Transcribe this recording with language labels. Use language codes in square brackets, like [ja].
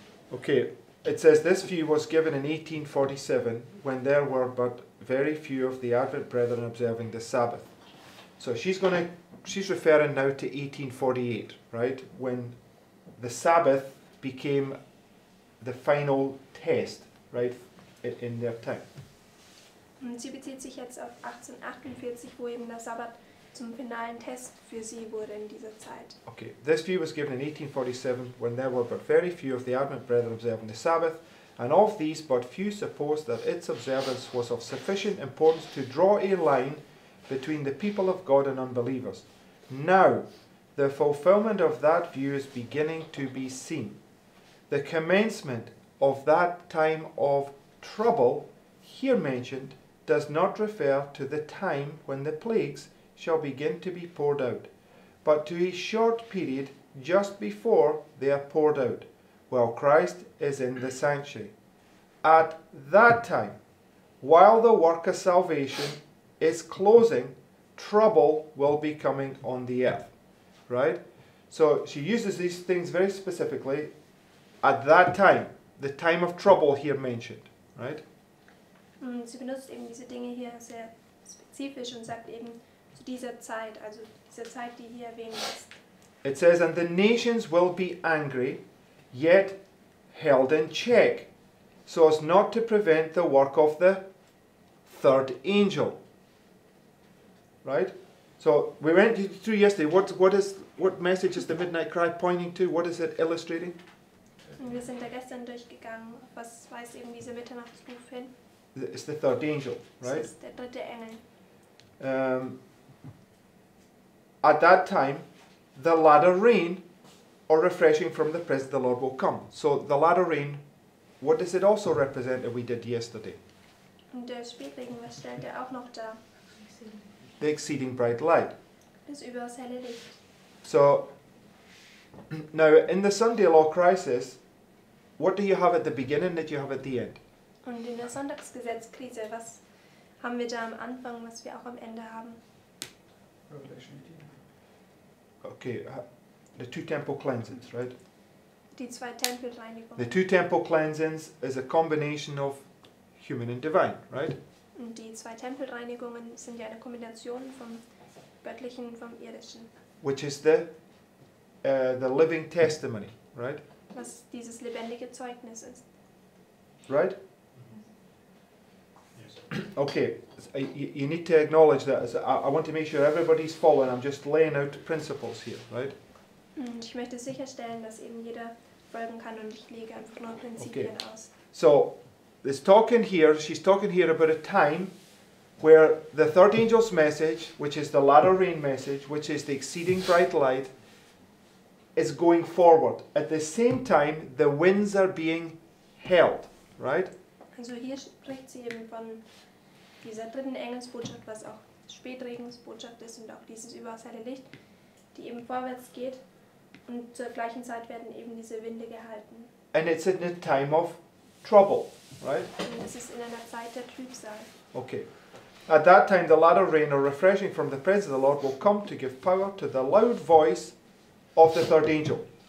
[en] Okay, it says, this view was given in 1847, when there were but very few of the Advent brethren observing the Sabbath. So she's referring now to 1848, right? When the Sabbath became the final test, right, in their time. [de] Und sie bezieht sich jetzt auf 1848, wo eben der Sabbat zum finalen Test für sie wurde in dieser Zeit. [en] Okay, this view was given in 1847, when there were but very few of the Advent brethren observing the Sabbath, and of these but few supposed that its observance was of sufficient importance to draw a line between the people of God and unbelievers. Now, the fulfillment of that view is beginning to be seen. The commencement of that time of trouble, here mentioned, does not refer to the time when the plagues shall begin to be poured out, but to a short period just before they are poured out, while Christ is in the sanctuary. At that time, while the work of salvation is closing, trouble will be coming on the earth. Right? So she uses these things very specifically. At that time, the time of trouble here mentioned. Right? [de] Sie benutzt eben diese Dinge hier sehr spezifisch und sagt eben zu dieser Zeit, also dieser Zeit, die hier erwähnt ist. [en] It says, and the nations will be angry, yet held in check, so as not to prevent the work of the third angel. Right? So we went through yesterday. What message is the midnight cry pointing to? What is it illustrating? [de] Wir sind da gestern durchgegangen. Was weist eben diese Mitternachtsruf hin? [en] It's the third angel, right? [de] Es ist der dritte Engel. [en] At that time, the latter rain or refreshing from the presence of the Lord will come. So the latter rain, what does it also represent that we did yesterday? [de] Und der Spätregen, was stellt er auch noch da? [en] The exceeding bright light. [de] Das überaus helle Licht. [en] So, now in the Sunday law crisis, what do you have at the beginning that you have at the end? [de] Und in der Sonntagsgesetzkrise, was haben wir da am Anfang, was wir auch am Ende haben? [en] Okay, the two temple cleansings, right? [de] Die zwei Tempelreinigungen. [en] The two temple cleansings is a combination of human and divine, right? [de] Und die zwei Tempelreinigungen sind ja eine Kombination vom Göttlichen und vom Irdischen. [en] Which is the living testimony, right? [de] Was dieses lebendige Zeugnis ist. [en] Right? Okay, you need to acknowledge that. I want to make sure everybody's following. I'm just laying out principles here, right? [de] Und ich möchte sicherstellen, dass eben jeder folgen kann, und ich lege einfach nur Prinzipien [en] okay. [de] aus. [en] So, it's talking here, she's talking here about a time where the third angel's message, which is the latter rain message, which is the exceeding bright light, is going forward. At the same time, the winds are being held, right? [de] Also hier spricht sie eben von dieser dritten Engelsbotschaft, was auch Spätregensbotschaft ist, und auch dieses überaus helle Licht, die eben vorwärts geht, und zur gleichen Zeit werden eben diese Winde gehalten. [en] And it's in a time of trouble, right? [de] Und es ist in einer Zeit der Trübsal. [en] Okay. At that time the latter rain or refreshing from the presence of the Lord will come to give power to the loud voice of the third angel.